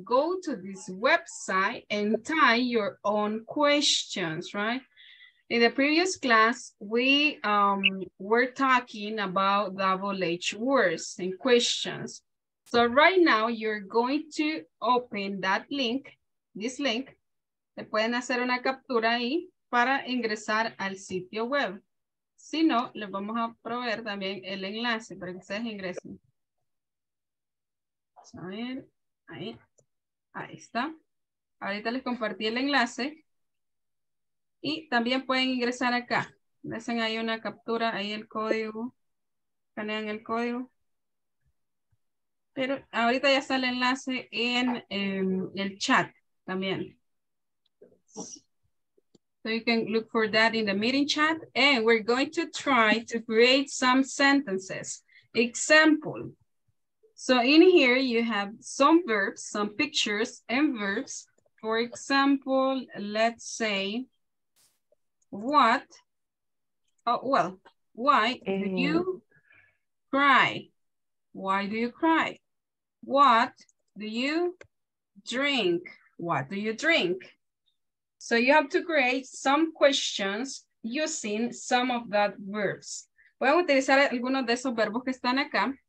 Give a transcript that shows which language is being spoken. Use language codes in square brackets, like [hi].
[en] Go to this website and type your own questions, right? In the previous class, we were talking about double H words and questions. So right now, you're going to open that link, this link. [es] Te pueden hacer una captura ahí para ingresar al sitio web. Si no, les vamos a proveer también el enlace para que ustedes ingresen. A ver, ahí, ahí está. Ahorita les compartí el enlace. Y también pueden ingresar acá. Hacen ahí una captura, ahí el código. Escanean el código. Pero ahorita ya está el enlace en el chat también. [en] So you can look for that in the meeting chat. And we're going to try to create some sentences. Example. So in here you have some verbs, some pictures and verbs. For example, let's say, why do you cry? Why do you cry? What do you drink? What do you drink? So you have to create some questions using some of that verbs. [es] Voy a utilizar algunos de esos verbos que están acá.